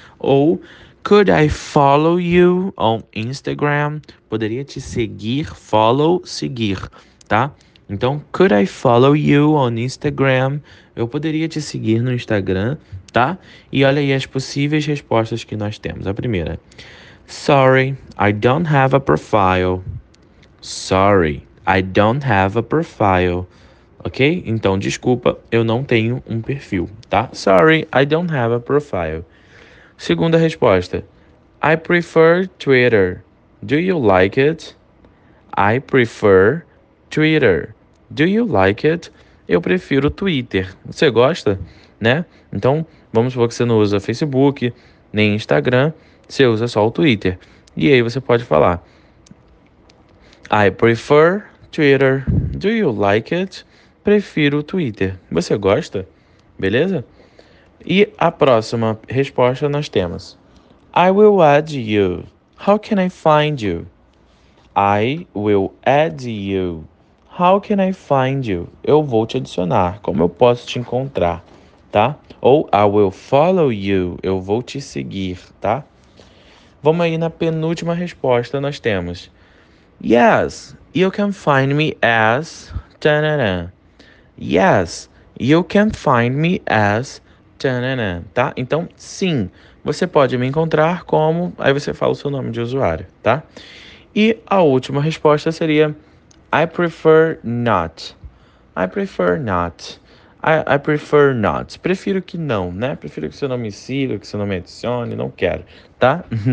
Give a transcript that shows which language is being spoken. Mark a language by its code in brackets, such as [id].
[en] Ou could I follow you on Instagram? [pt] Poderia te seguir, follow, seguir. Tá? [en] Então, could I follow you on Instagram? [pt] Eu poderia te seguir no Instagram, tá? E olha aí as possíveis respostas que nós temos. A primeira: [en] Sorry, I don't have a profile. Sorry, I don't have a profile. Ok? [pt] Então, desculpa, eu não tenho um perfil, tá? [en] Sorry, I don't have a profile. [pt] Segunda resposta: [en] I prefer Twitter. Do you like it? I prefer Twitter. Do you like it? [pt] Eu prefiro Twitter. Você gosta, né? Então, vamos supor que você não usa Facebook, nem Instagram, você usa só o Twitter. E aí você pode falar: [en] I prefer Twitter. Do you like it? [pt] Prefiro Twitter. Você gosta? Beleza? E a próxima resposta nós temos: [en] I will add you. How can I find you? I will add you. How can I find you? [pt] Eu vou te adicionar. Como eu posso te encontrar, tá? Ou [en] I will follow you. [pt] Eu vou te seguir, tá? Vamos aí na penúltima resposta nós temos: [en] Yes, you can find me as tanana. Yes, you can find me as tanana, tá? [pt] Então, sim, você pode me encontrar como. Aí você fala o seu nome de usuário, tá? E a última resposta seria: [en] I prefer not. I prefer not. I prefer not. [pt] Prefiro que não, né? Prefiro que você não me siga, que você não me adicione, não quero, tá?